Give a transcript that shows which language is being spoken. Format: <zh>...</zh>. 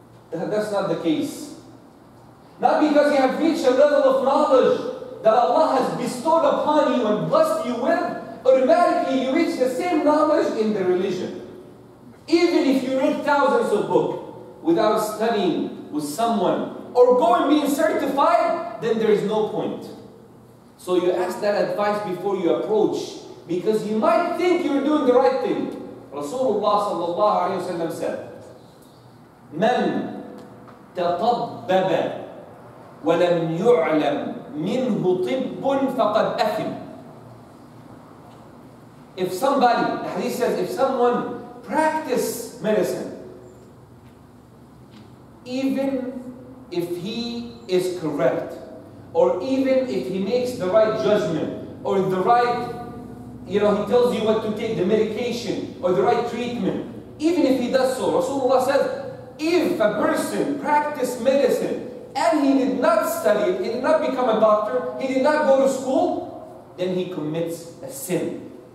<en>That's not the case. Not because you have reached a level of knowledge that Allah has bestowed upon you and blessed you with, automatically you reach the same knowledge in the religion. Even if you read thousands of books without studying with someone or going being certified, then there is no point. So you ask that advice before you approach, because you might think you're doing the right thing.</en> <ar>Rasulullah sallallahu alayhi wa sallam said, مَنْ تَطَبَّبَ وَلَمْ يُعْلَمْ مِنْهُ طِبٌّ فَقَدْ أَثِمْ.</ar> <en>If somebody, the hadith says, if someone practice medicine, even if he is correct, or even if he makes the right judgment, or the right, you know, he tells you what to take, the medication, or the right treatment, even if he does so, Rasulullah said, if a person practiced medicine, and he did not study, he did not become a doctor, he did not go to school, then he commits a sin.</en>